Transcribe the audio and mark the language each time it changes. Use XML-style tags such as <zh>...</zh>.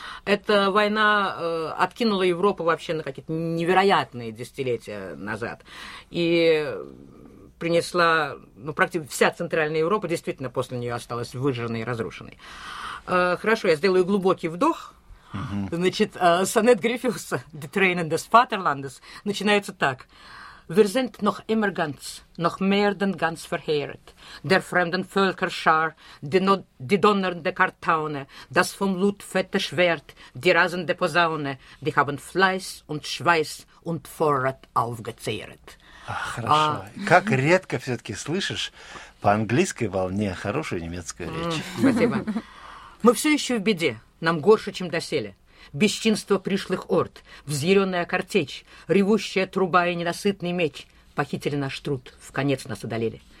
<ru>Эта война откинула Европу вообще на какие-то невероятные десятилетия назад. И принесла, ну, практически вся Центральная Европа действительно после нее осталась выжженной и разрушенной. Хорошо, я сделаю глубокий вдох. Значит, сонет Гриффиуса «The Train in the Vaterlandes» начинается так.</ru> <de>Wir sind noch immer ganz, noch mehr denn ganz verheeret. Der fremden Völkerschar, die donnernde Kartaune, das vom Blut fette Schwert, die rasende Posaune, die haben Fleiß und Schweiß und Vorrat aufgezehret.</de> <ru>Ach, хорошо. Как редко все-таки слышишь по английской волне хорошую немецкую речь. Спасибо. Мы все еще в беде, нам горше, чем доселе. Бесчинство пришлых орд, взъяренная картечь, ревущая труба и ненасытный меч похитили наш труд, в конец нас одолели.</ru>